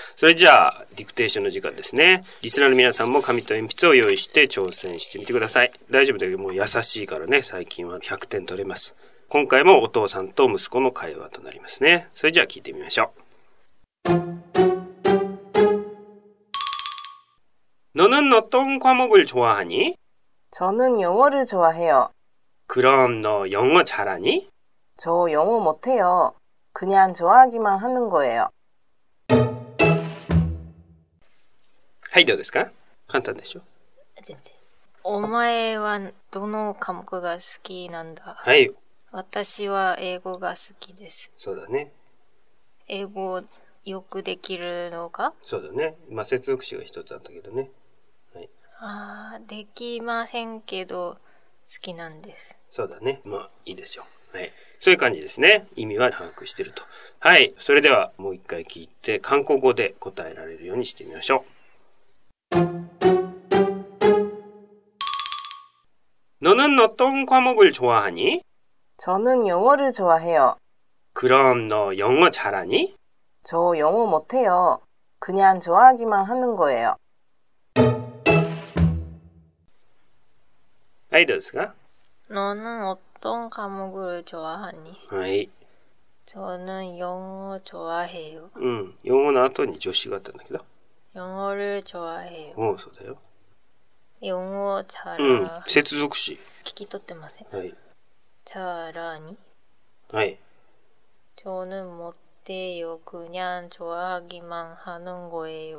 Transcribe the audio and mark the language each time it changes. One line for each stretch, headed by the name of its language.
Japanese: それじゃあ、ディクテーションの時間ですね。リスナーの皆さんも紙と鉛筆を用意して挑戦してみてください。大丈夫だけど、もう優しいからね、最近は100点取れます。今回もお父さんと息子の会話となりますね。それじゃあ聞いてみましょう。
Korean: 너는어떤과목을좋아하니？ 저는영어를좋아해요。 그럼너영어잘하니？ 저영어못해요。 그냥좋아하기만하는거예요。
Japanese: はい、どうですか？簡単でしょ？全然。お前はどの科目が好きなんだ？はい。私は英語が好きです。そうだね。英語よくできるのか？そうだね。まあ、接続詞が一つあったけどね。はい。ああ、できませんけど、好きなんです。そうだね。まあ、いいでしょう。はい。そういう感じですね。意味は把握してると。はい。それでは、もう一回聞いて、韓国語で答えられるようにしてみましょう。
Korean: 너는어떤과목을좋아하니？ 저는영어를좋아해요。 그럼너영어잘하니？ 저영어못해요。 그냥좋아하기만하는거예요。
Japanese: はい、どうですか？
Korean: 너는어떤과목을좋아하니？
Japanese: はい。
Korean: 저는영어좋아해요。
Japanese: うん、영어の後に助詞があったんだけど。
Korean: 영어를좋아해요。
Japanese: おう、そうだよ。
Korean: 영어잘 하니？
Japanese: うん、接続詞。聞き取ってません。はい。
Korean: 잘하니？
Japanese: はい。
Korean: 저는못해요。 그냥좋아하기만하는거예요。